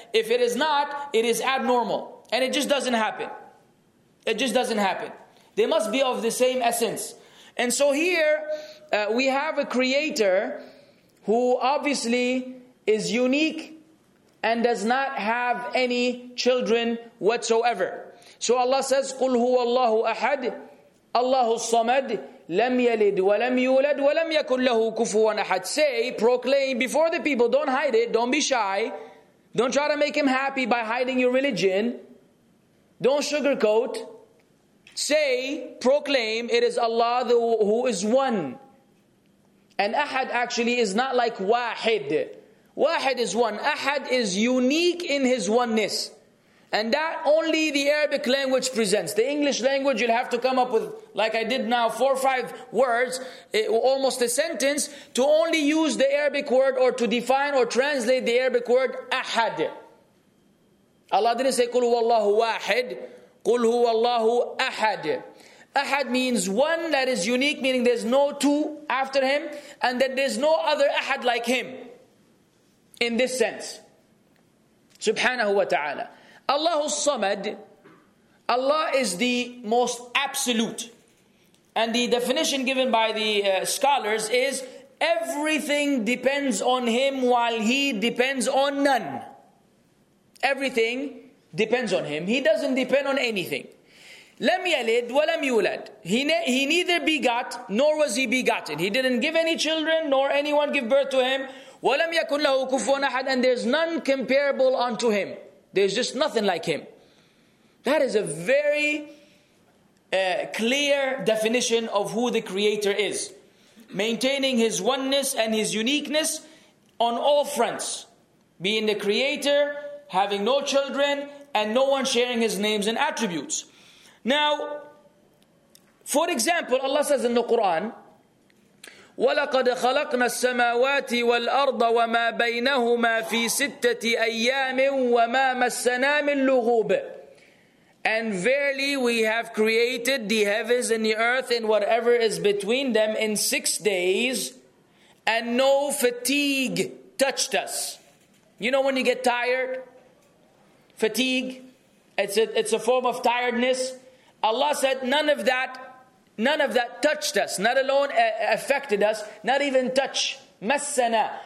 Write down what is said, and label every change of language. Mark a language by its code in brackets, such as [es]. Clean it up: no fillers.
[en] If it is not, it is abnormal. And it just doesn't happen. It just doesn't happen. They must be of the same essence. And so here, we have a creator who obviously is unique and does not have any children whatsoever. So Allah says, [ar] قُلْ هُوَ اللَّهُ أَحَدٍ اللَّهُ الصَّمَدٍ لَمْ يَلِدْ وَلَمْ يُولَدْ وَلَمْ يَكُنْ لَهُ كُفُوًا أَحَدٍ. [en] Say, proclaim before the people, don't hide it, don't be shy, don't try to make him happy by hiding your religion, don't sugarcoat. Say, proclaim, it is Allah who is one. And أحد actually is not like واحد. واحد is one. أحد is unique in his oneness. And that only the Arabic language presents. The English language, you'll have to come up with, like I did now, 4 or 5 words, almost a sentence, to only use the Arabic word or to define or translate the Arabic word, أحد. Allah didn't say, [ar] قُلْ هُوَ اللَّهُ وَاحِدٌ قُلْ هُوَ اللَّهُ أَحَدٌ. [en] أحد means one that is unique, meaning there's no two after him, and that there's no other أحد like him, in this sense. [ar] سبحانه وتعالى. [en] Allahu Samad, Allah is the most absolute. And the definition given by the scholars is, everything depends on Him while He depends on none. Everything depends on Him. He doesn't depend on anything. [ar] Lam yalid wa lam yulad. [en] He neither begat nor was He begotten. He didn't give any children nor anyone give birth to Him. [ar] Wa lam yakun lahu kufuwan ahad. [en] And there's none comparable unto Him. There's just nothing like Him. That is a very clear definition of who the Creator is. Maintaining His oneness and His uniqueness on all fronts. Being the Creator, having no children, and no one sharing His names and attributes. Now, for example, Allah says in the Quran, [ar] وَلَقَدْ خَلَقْنَا السَّمَاوَاتِ وَالْأَرْضَ وَمَا بَيْنَهُمَا فِي سِتَّةِ أَيَّامٍ وَمَا مَسَّنَا مِنْ لُغُوبٍ. [en] And verily we have created the heavens and the earth and whatever is between them in 6 days, and no fatigue touched us. You know when you get tired? Fatigue. It's a form of tiredness. Allah said none of that touched us, not alone affected us, not even touch. Massana.